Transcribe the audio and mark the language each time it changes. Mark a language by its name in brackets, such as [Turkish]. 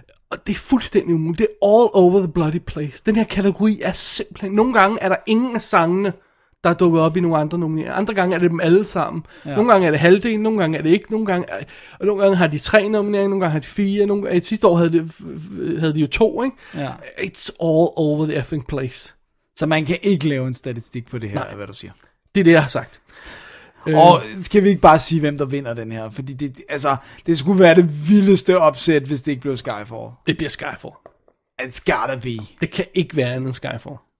[Danish] Og det er fuldstændig umuligt. Det er [English] all over the bloody place. [Danish] Den her kategori er simpelthen... Nogle gange er der ingen af sangene, der er dukket op i nogle andre nomineringer. Andre gange er det dem alle sammen. Ja. Nogle gange er det halvdelen, nogle gange er det ikke. Nogle gange har de tre nomineringer, nogle gange har de fire. I sidste år havde de jo to, ikke? Ja. [English] It's all over the effing place. [Danish] Så man kan ikke lave en statistik på det her, hvad du siger. Det er det, jeg har sagt. Og skal vi ikke bare sige, hvem der vinder den her? Fordi det, altså, det skulle være det vildeste opsæt, hvis det ikke blev Skyfall. Det bliver Skyfall. [English] It's gotta be. [Danish] Det kan ikke være andet end Skyfall.